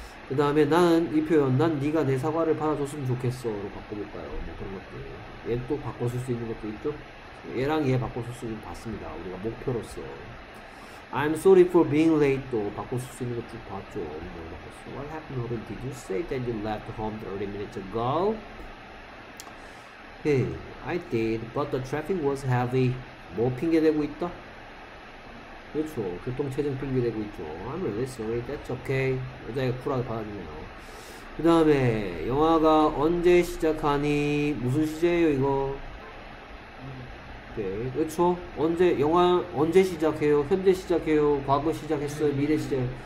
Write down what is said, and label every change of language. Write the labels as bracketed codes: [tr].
[ko] 그 다음에 나는 이 표현, 난 네가 내 사과를 받아줬으면 좋겠어로 바꿔볼까요? 뭐 그런 것들. 얘 또 바꿔 쓸 수 있는 것도 있죠? 얘랑 얘 바꿔 쓸 수 있는 봤습니다. 우리가 목표로서. [en] I'm sorry for being late. [ko] 또 바꿔 쓸 수 있는 것도 봤죠. [en] What happened, Robin? Did you say that you left home 30 minutes ago? Okay, I did, but the traffic was heavy. [ko] 뭐 핑계대고 있다? 그렇죠. 교통체증 핑계대고 있죠. [en] I'm really sorry. That's okay. [ko] 여자애가 쿨하게 받아주네요. 그 다음에 영화가 언제 시작하니? 무슨 시제예요, 이거? 네, 그렇죠. 언제 영화 언제 시작해요? 현재 시작해요? 과거 시작했어요? 미래 시작?